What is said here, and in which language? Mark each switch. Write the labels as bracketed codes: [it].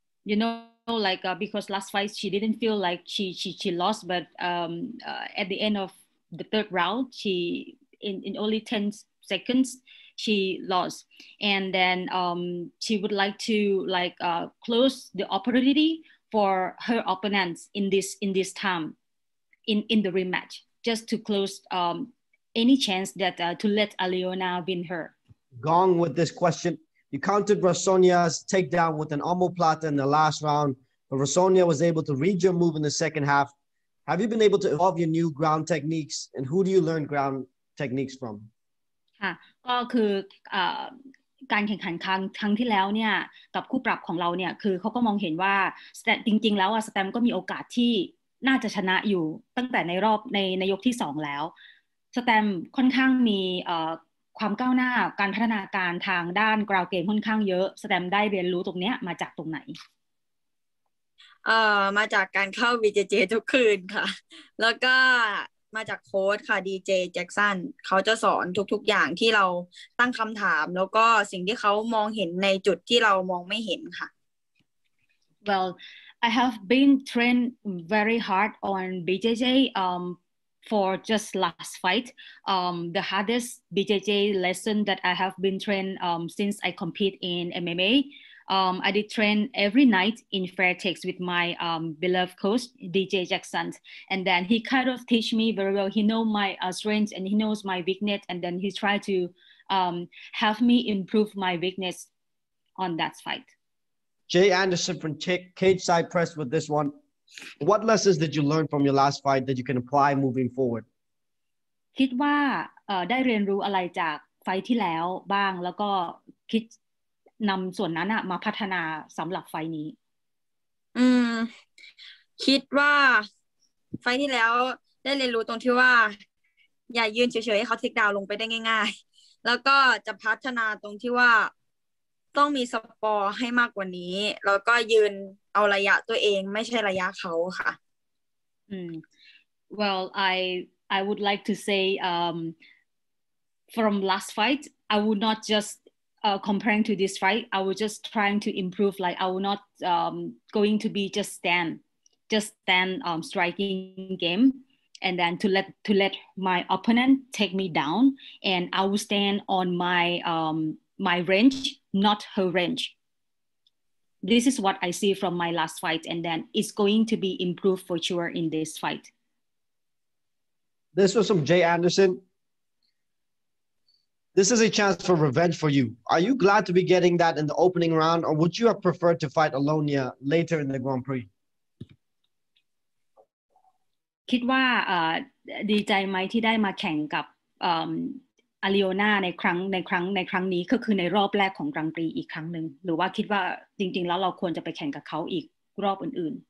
[en] You know, like because last fight she didn't feel like she lost, but at the end of the third round, she in only 10 seconds she lost, and then she would like to like close the opportunity for her opponents in this time, in the rematch, just to close any chance that to let Alyona win her. Gong with this question. You countered Rassohyna's takedown with an omoplata in the last round, but Rassohyna was able to read your move in the second half. Have you been able to evolve your new ground techniques, and who do you learn ground techniques from? [th] ค่ะก็คือการแข่งขันครั้งที่แล้วเนี่ยกับคู่ปรับของเราเนี่ยคือเขาก็มองเห็นว่าจริงๆแล้วสแตมก็มีโอกาสที่น่าจะชนะอยู่ตั้งแต่ในรอบในยกที่สองแล้วสแตมค่อนข้างมีความก้าวหน้าการพัฒนาการทางด้านกราวเกมค่อนข้างเยอะสแตมได้เรียนรู้ตรงเนี้ยมาจากตรงไหน มาจากการเข้า BJJ ทุกคืนค่ะแล้วก็มาจากโค้ชค่ะ DJ แจ็คสันเขาจะสอนทุกๆอย่างที่เราตั้งคำถามแล้วก็สิ่งที่เขามองเห็นในจุดที่เรามองไม่เห็นค่ะ [en] Well I have been trained very hard on BJJFor just last fight, the hardest BJJ lesson that I have been trained since I compete in MMA. I did train every night in Fairtex with my beloved coach, DJ Jackson. And then he kind of teach me very well. He knows my strengths and he knows my weakness. And then he tried to help me improve my weakness on that fight. Jay Anderson from Cage Side Press with this one. What lessons did you learn from your last fight that you can apply moving forward? [th] คิดว่าได้เรียนรู้อะไรจากไฟที่แล้วบ้างแล้วก็คิดนำส่วนนั้นมาพัฒนาสำหรับไฟนี้คิดว่าไฟที่แล้วได้เรียนรู้ตรงที่ว่าอย่ายืนเฉยๆให้เขาเทคดาวน์ลงไปได้ง่ายๆแล้วก็จะพัฒนาตรงที่ว่าต้องมีสปอร์ให้มากกว่านี้แล้วก็ยืนเอาระยะตัวเองไม่ใช่ระยะเขาค่ะ [en] Well I would like to say from last fight I would not just comparing to this fight I was just trying to improve like I would not going to be just stand striking game and then to let my opponent take me down and I will stand on my my range not her rangeThis is what I see from my last fight, and then it's going to be improved for sure in this fight. This was from Jay Anderson. This is a chance for revenge for you. Are you glad to be getting that in the opening round, or would you have preferred to fight Alyona later in the Grand Prix? [th] คิดว่าดีใจไหมที่ได้มาแข่งกับAlyona ในครั้งนี้ก็คือในรอบแรกของ Grand Prix อีกครั้งนึงหรือว่าคิดว่าจริงๆแล้วเราควรจะไปแข่งกับเขาอีกรอบอื่น